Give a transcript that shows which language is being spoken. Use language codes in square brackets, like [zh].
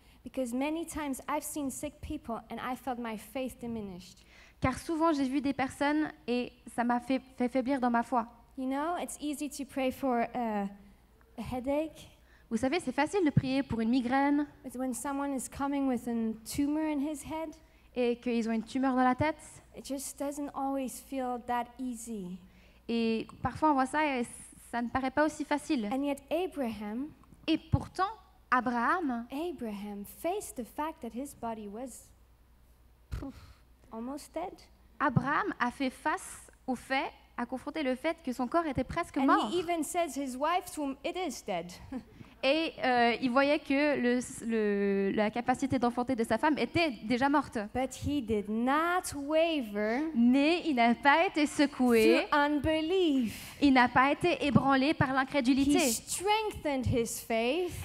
[en] Because many times I've seen sick people and I felt my faith diminished. [fr] Car souvent j'ai vu des personnes et ça m'a fait faiblir dans ma foi. [en] You know, it's easy to pray for a headache. [fr] Vous savez, c'est facile de prier pour une migraine. [en] It's when someone is coming with a tumor in his head. [fr] Et qu'ils ont une tumeur dans la tête. [en] It just doesn't always feel that easy. [fr] Et parfois on voit ça et ça ne paraît pas aussi facile. [en] And yet Abraham. [fr] Et pourtant Abraham. [en] Abraham faced the fact that his body was. Almost dead. [fr] Abraham a fait face au fait, a confronté le fait que son corps était presque mort. [en] And he even says his wife's womb it is dead. [fr] Et il voyait que la capacité d'enfanter de sa femme était déjà morte. [en] But he did not waver. [fr] Mais il n'a pas été secoué. [en] Through unbelief. [fr] Il n'a pas été ébranlé par l'incrédulité. [en] He strengthened his faith.